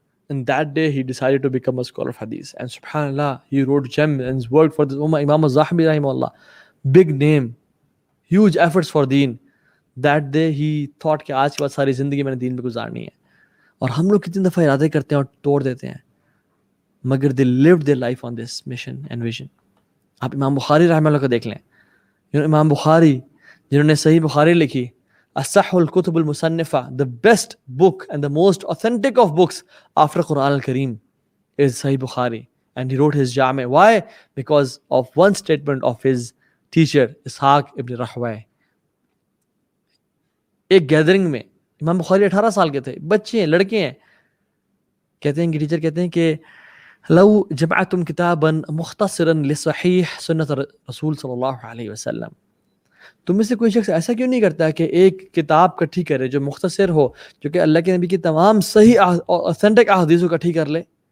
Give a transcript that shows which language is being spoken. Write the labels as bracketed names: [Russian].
[English] And that day he decided to become a scholar of حدیث, and سبحان اللہ he wrote gem and work for this اومہ. امام الزہبی رحمہ اللہ, big name, huge efforts for دین. That day he thought [Urdu] کہ آج کے بعد ساری زندگی میں نے دین پہ گزارنی ہے. اور ہم لوگ کتنی دفعہ ارادے کرتے ہیں اور توڑ دیتے ہیں, مگر [English] They lived their life on this mission and vision. [Urdu] آپ امام بخاری رحمہ اللہ کو دیکھ لیں, امام بخاری جنہوں نے صحیح بخاری لکھی, [Arabic] اصح الکتب المصنفہ, [English] The best book and the most authentic of books after Quran الکریم is Sahih Bukhari. And he wrote his جامع, why? Because of one statement of his teacher Ishaq ibn Rahwayh. [Urdu] ایک گیدرنگ میں امام بخاری 18 سال کے تھے, بچے ہیں, لڑکے ہیں, کہتے ہیں کہ ٹیچر کہتے ہیں کہ [Arabic] لو جمعتم کتابا مختصرا لصحیح سنت رسول صلی اللہ علیہ وسلم, [Urdu] تم میں سے کوئی شخص ایسا کیوں نہیں کرتا کہ ایک کتاب کٹھی کرے جو مختصر ہو, جو کہ اللہ کے نبی کی تمام صحیح اوتھینٹک احادیث کٹھی کر لے.